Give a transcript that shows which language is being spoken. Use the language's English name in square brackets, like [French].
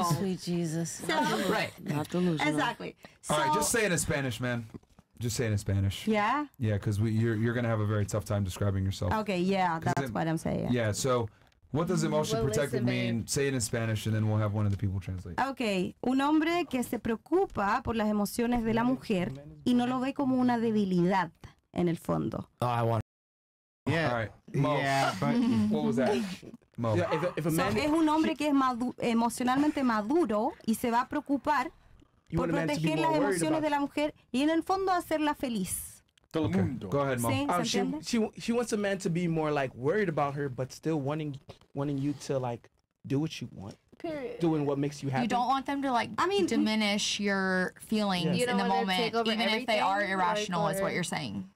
[English] Oh, sweet Jesus. So, Not delusional. Exactly. All right, just say it in Spanish, man. Just say it in Spanish. Yeah? Yeah, because you're going to have a very tough time describing yourself. Okay, yeah, what I'm saying. Yeah, so what does emotionally protective mean? Say it in Spanish, and then we'll have one of the people translate. Okay. [Spanish] Un hombre que se preocupa por las emociones de la mujer y no lo ve como una debilidad en el fondo. [English] Oh, I want it. Yeah. All right. Mo. Yeah. What was that? Mo. Yeah, if a man, [Spanish] es un hombre que es emocionalmente maduro y se va a preocupar por proteger las emociones de la mujer y en el fondo hacerla feliz. [English] Okay. Go ahead, Mo. She wants a man to be more like worried about her, but still wanting you to like do what you want. Period. Doing what makes you happy. You don't want them to diminish your feelings in the moment, even if they are irrational, is what you're saying.